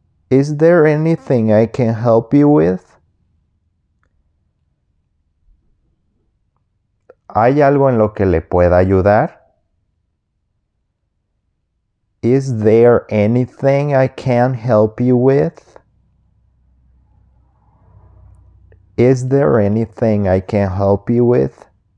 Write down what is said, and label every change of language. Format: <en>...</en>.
<en>Is there anything I can help you with?</en> <es>¿Hay algo en lo que le pueda ayudar?</es> <en>Is there anything I can help you with? Is there anything I can help you with?</en>